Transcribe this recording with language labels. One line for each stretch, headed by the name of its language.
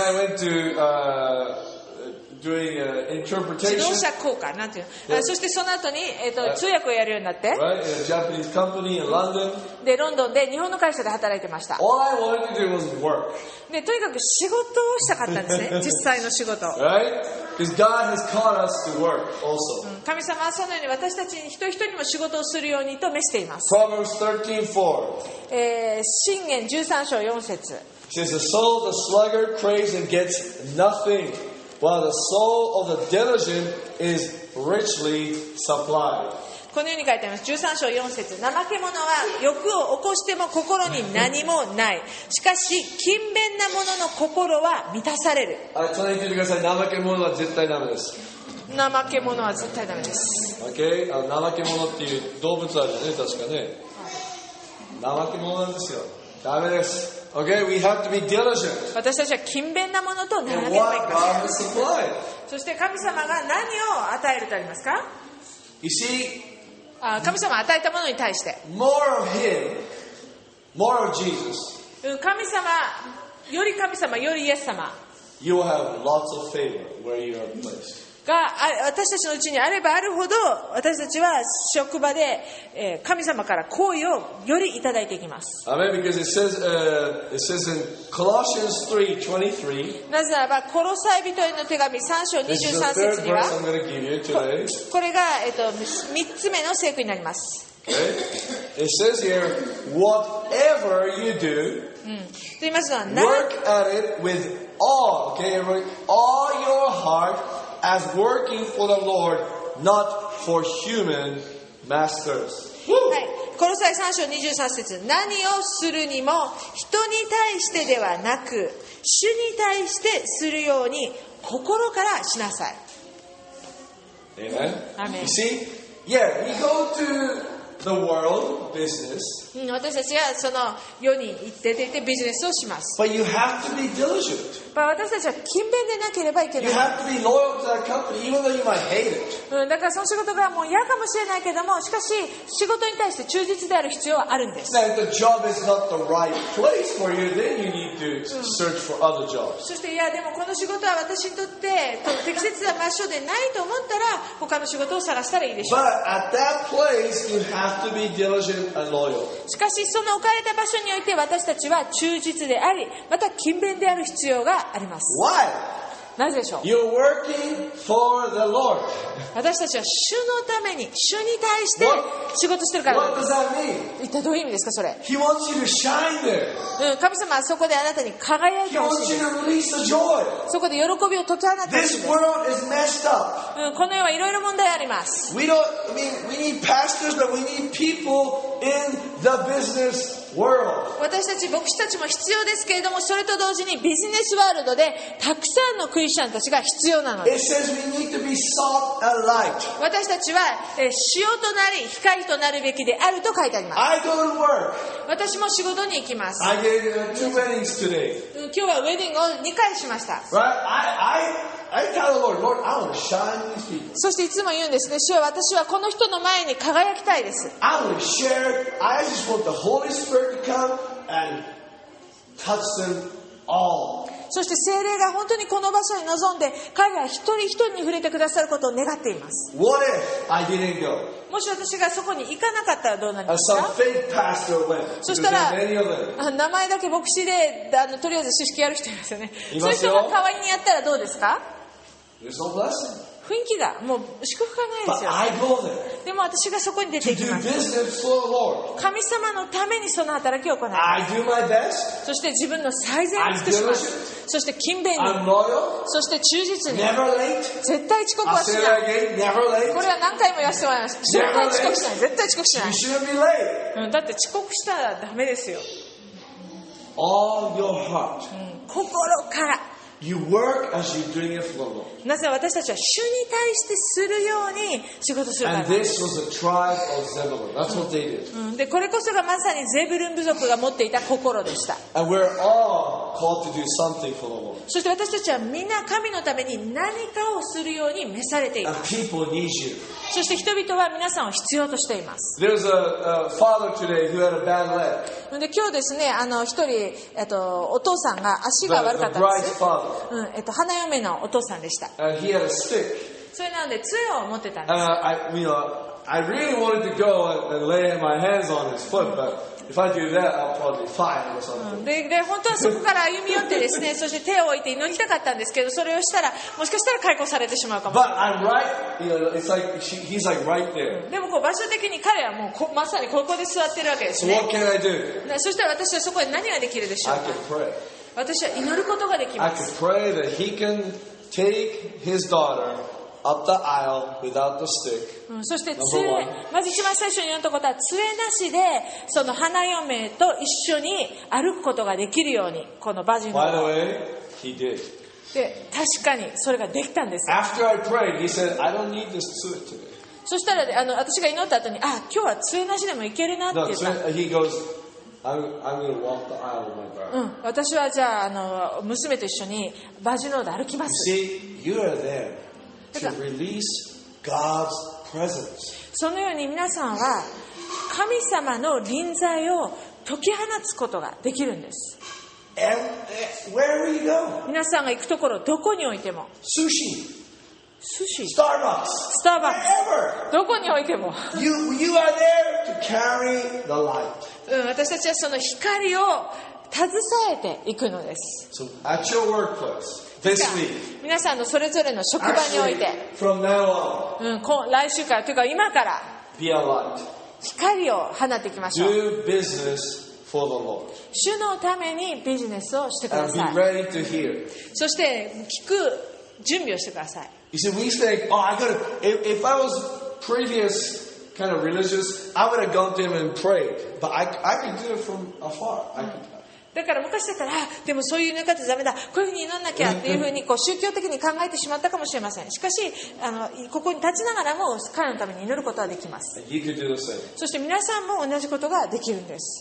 English: Then I went to doing interpretation.
Japanese: 自動車工科なんていう。そしてその後に通訳をやるようになって。
English: Right, a Japanese company in London.
Japanese: でロンドンで日本の会社で働いてました。
English: All I wanted to do was work.
Japanese: でとにかく仕事をしたかったんですね。実際の仕事。
English: Right, because God has called us to work also.
Japanese: 神様はそのように私たち一人一人も仕事をするようにと召しています。
English: Proverbs 13:4.
Japanese: 箴言13章4節。
English: Since the soul of the sluggard craves and gets nothing. While the soul of the diligent is richly supplied.
Japanese: このように書いてあります。13章4節。怠け者は欲を起こしても心に何もない。しかし、勤勉な者の心は満たされる。あ、隣に言ってください。怠け者は絶対ダメです。怠け者は絶対ダメです。
English: Okay?
Japanese: 怠け者っていう動物あるよね、確かね。怠け者なんですよ。ダメです。
English: Okay, we have to be diligent.
Japanese: 私たちは勤勉なものとならなきゃいけません。そして神様が何を与えるとありますか。
English: You see,
Japanese: 神様与えたものに対して
English: more of him, more of Jesus.
Japanese: 神様より神様よりイエス様
English: you will have lots of favor where you are placed.
Japanese: が私たちのうちにあればあるほど私たちは職場で神様から好意をよりいただいていきます。
English: アメン。Because it says in Colossians 3:23,
Japanese: なぜならばコロサイ人への手紙3章23節には
English: This is the third verse I'm going to give you today.
Japanese: これが3つ目の聖句になります。
English: Okay. It says here, whatever you do,
Japanese: と言いますのは
English: work at it with all, okay, everybody, all your heartAs working for the Lord, not for human masters.
Japanese: はい、コロサイ3章23節。何をするにも人に対してではなく、主に対してするように心からしなさい。
English: Amen. Amen. You see? Yeah, we go to the world business.
Japanese: 私たちがその世に行っていてビジネスをします。
English: But you have to be diligent.
Japanese: 私たちは勤勉でなければいけない。
English: You have to be loyal to that company, even though you might hate it.
Japanese: だからその仕事がもう嫌かもしれないけども、しかし仕事に対して忠実である必要はあるんです。
English: Now, if the job is not the right place for you, then you need to search for other jobs.
Japanese: そしていやでもこの仕事は私にとって適切な場所でないと思ったら他の仕事を探したらいいでしょう。
English: But at that place, you have to be diligent and loyal.
Japanese: しかしその置かれた場所において私たちは忠実でありまた勤勉である必要があります。
English: Why?
Japanese: なぜでしょう。
English: You're working for the Lord.
Japanese: 私たちは主のために主に対して仕事してるからです。
English: What does that mean?
Japanese: 一体どういう意味ですかそれ。
English: He wants you to shine there.
Japanese: 神様はそこであなたに輝いてほしい。
English: He wants you to release the joy.
Japanese: そこで喜びを解き放ってほしい。
English: This world is messed up.
Japanese: この世はいろいろ問題あります。
English: We don't, I mean, we need pastors, but we need people in the business world.
Japanese: 私たち牧師たちも必要ですけれども、それと同時にビジネスワールドでたくさんのクリスチャンたちが必要なのです。
English: It says we need to be salt and light.
Japanese: 私たちは塩となり光となるべきであると書いてあります。
English: I go to work.
Japanese: 私も仕事に行きます。
English: I gave two weddings today.
Japanese: 今日はウェディングを2回しました。
English: I tell the Lord, Lord, I want to shine these people.
Japanese: そしていつも言うんですね。主は私はこの人の前に輝きたいです。
English: I want to share. I just want the Holy Spirit to come and touch them all.
Japanese: そして聖霊が本当にこの場所に臨んで彼ら一人一人に触れてくださることを願っています。
English: What if I didn't go?
Japanese: もし私がそこに行かなかったらどうなりますか。
English: Some fake pastor went.
Japanese: そしたら名前だけ牧師でとりあえず知識ある人いますよね。いますよ。そういう人が代わりにやったらどうですか。
English: There's no blessing.
Japanese: 雰囲気がもう祝福がないですよ。でも私がそこに出てきます。神様のためにその働きを行います。そして自分の最善を尽くします。そして勤勉に。そして忠実に。絶対遅刻はしない。これは何回も言わせてもらいます。絶対遅刻しない。絶対遅刻しない。だって遅刻したらダメですよ。心から。
English: You work as you're doing it for the Lord.
Japanese: なぜ私たちは主に対してするように仕事するために。
English: And this was the tribe of Zebulun. That's what they did.
Japanese: で、これこそがまさにゼブルン部族が持っていた心でした。
English: And we're all called to do something for the Lord.
Japanese: そして私たちはみんな神のために何かをするように召されています。
English: And people need you.
Japanese: そして人々は皆さんを必要としています。
English: There's a father today who had a bad leg.
Japanese: で、今日ですね、一人、お父さんが足が悪かったんです。
English: The bride's father.
Japanese: 花嫁のお父さんでした。
English: He had a stick.
Japanese: それなので杖を持ってたんです。
English: I really wanted to go and lay my hands on his foot, but if I do that, I'll probably fight or something.
Japanese: で、本当はそこから歩み寄ってですね、そして手を置いて祈りたかったんですけど、それをしたらもしかしたら解雇されてしまうかもしれない。
English: But I'm right, you know, it's like he's like right there.
Japanese: でもこう場所的に彼はもうまさにここで座ってるわけですね。
English: So what can I do?
Japanese: そしたら私はそこで何ができるでしょうか。
English: I can pray.
Japanese: 私は祈ることができます。
English: I could pray that he can take his daughter up the aisle without the stick.
Japanese: そして杖、まず一番最初に言ったことは杖なしでその花嫁と一緒に歩くことができるようにこのバジン
English: の。 By the way, he did.
Japanese: で、確かにそれができたんです。
English: After I prayed, he said, I don't need this suit today.
Japanese: そしたら私が祈った後に、あ、今日は杖なしでも行けるなって言った。
English: No, he goes,I'm going to walk the aisle with my bride.
Japanese: 私はじゃあ娘と一緒にバジノーで歩きます。
English: You see, you are there to release God's presence.
Japanese: そのように皆さんは神様の臨在を解き放つことができるんです。
English: Where we go?
Japanese: 皆さんが行くところどこにおいても。
English: Sushi.
Japanese: 寿司、スターバックス、
English: Wherever.
Japanese: どこに置いても。
English: You are there to carry the light.
Japanese: 私たちはその光を携えていくのです。
English: So at your workplace this week.
Japanese: 皆さんのそれぞれの職場において。
English: Actually, from now on.
Japanese: 来週からというか今から。
English: Be a light.
Japanese: 光を放っていきましょう。
English: Do business for the Lord.
Japanese: 主のためにビジネスをしてください。
English: And be ready to hear.
Japanese: そして聞く準備をしてください。
English: You see, we think, oh, I gotta. If I was previous kind of religious, I would have gone to him and prayed. But I could do it from afar.
Japanese: だから昔だったらでもそういう祈り方ダメだこういうふうに祈んなきゃっていうふうにこう宗教的に考えてしまったかもしれません。しかしあのここに立ちながらも彼のために祈ることはできます。そして皆さんも同じことができるんです。